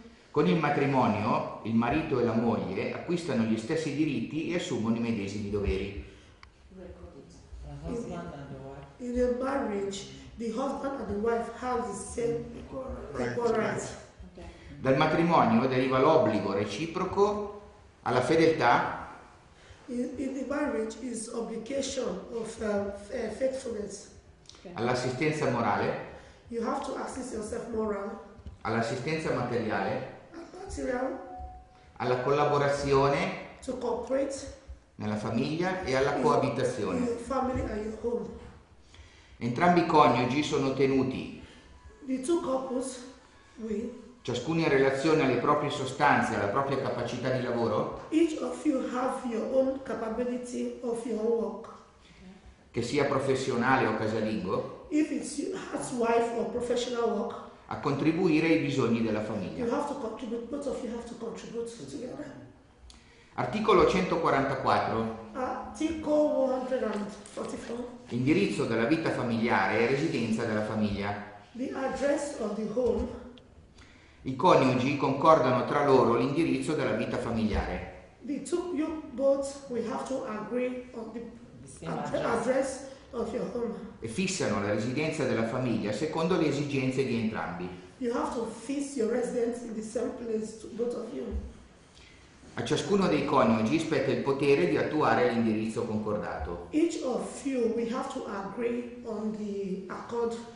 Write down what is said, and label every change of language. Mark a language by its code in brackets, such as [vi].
[it] Con il matrimonio, il marito e la moglie acquistano gli stessi diritti e assumono i medesimi doveri. [en] In a marriage. The husband and the wife have the same equal rights. [it] Dal matrimonio deriva l'obbligo reciproco alla fedeltà. [en] In the marriage is obligation of faithfulness. Okay. [it] All'assistenza morale. [en] You have to assist yourself moral. [it] All'assistenza materiale. [en] Material. [it] Alla collaborazione. [en] To cooperate. [it] Nella famiglia e alla coabitazione. [en] In your family and your home. [it] Entrambi i coniugi sono tenuti, [en] the two couples, we, [it] ciascuno in relazione alle proprie sostanze, alla propria capacità di lavoro, [en] each of you have your own capability of your work, [it] che sia professionale o casalingo, [en] if it's housewife or professional work, [it] a contribuire ai bisogni della famiglia. [en] You have to contribute, both of you have to contribute together. [it] Articolo 144. Articolo 144. Indirizzo della vita familiare e residenza della famiglia. [en] The address of the home. [it] I coniugi concordano tra loro l'indirizzo della vita familiare. [en] The two you both we have to agree on the address of your home. [it] E fissano la residenza della famiglia secondo le esigenze di entrambi. [en] You have to fix your residence in the same place to both of you. [it] A ciascuno dei coniugi spetta il potere di attuare l'indirizzo concordato. [en] Each of you we have to agree on the accord.